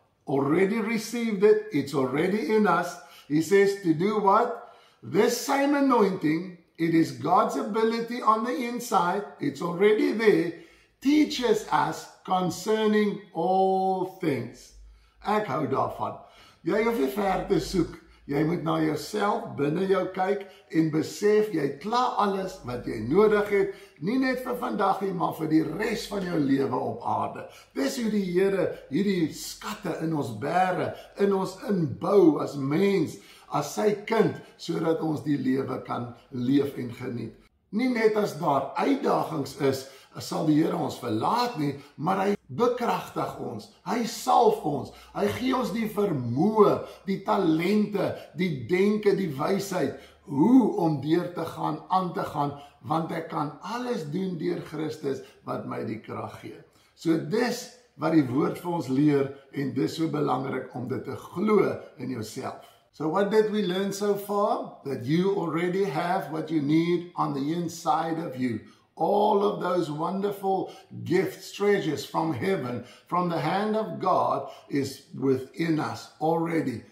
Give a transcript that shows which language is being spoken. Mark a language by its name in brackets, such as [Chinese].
[English] Already received it. It's already in us. He says to do what? This same anointing, it is God's ability on the inside, it's already there, teaches us concerning all things. [Afrikaans] Ek hou daarvan. Jy hoef nie ver te soek. Jy moet na jouself binne jou kyk en besef jy klaar alles wat jy nodig het, nie net vir vandag nie, maar vir die res van jou lewe op aarde. Dis hoe die Here hierdie skatte in ons bære, in ons inbou as mens, as sy kind, sodat ons die lewe kan leef en geniet. Nie net as daar uitdagings is, sal die Here ons verlaat nie, maar hy bekragtig ons, hy salf ons, hy gee ons die vermoë, die talente, die denke, die wysheid, hoe om deur te gaan, aan te gaan, want ek kan alles doen deur Christus wat my die krag gee. So dis wat die woord vir ons leer en dis so belangrik om dit te glo in jouself. [English] So what did we learn so far? That you already have what you need on the inside of you. All of those wonderful gifts, treasures from heaven, from the hand of God is within us already.